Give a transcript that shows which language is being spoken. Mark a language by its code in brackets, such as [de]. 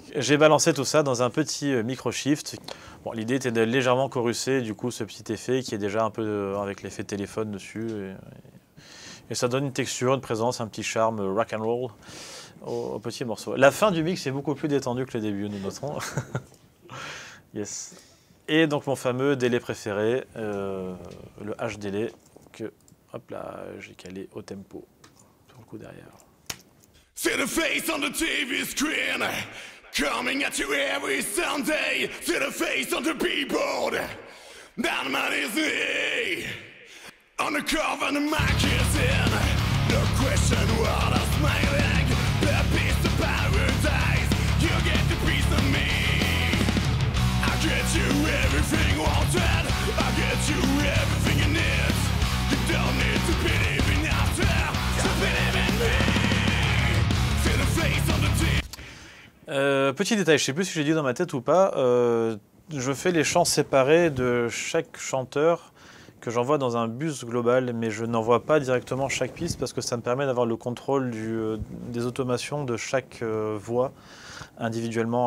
[fr] J'ai balancé tout ça dans un petit micro shift. Bon, l'idée était de légèrement chorusser du coup ce petit effet qui est déjà un peu avec l'effet téléphone dessus, et ça donne une texture, une présence, un petit charme rock and roll au petit morceau. La fin du mix est beaucoup plus détendue que le début, nous noterons. Yes. Et donc mon fameux délai préféré, le hash délai, que hop là, j'ai calé au tempo, sur le coup derrière. [en] See the face on the TV screen, coming at you every Sunday. See the face on the billboard, that man is me. On the cover and the magazine, no question what I'm smiling. The peace of paradise, you get the peace of me. I get you everything wanted, I get you everything you need. You don't need to believe in after, so believe in me. See the face on the team. [fr] Petit détail, je sais plus si j'ai dit dans ma tête ou pas, je fais les chants séparés de chaque chanteur que j'envoie dans un bus global, mais je n'envoie pas directement chaque piste parce que ça me permet d'avoir le contrôle des automations de chaque voix individuellement.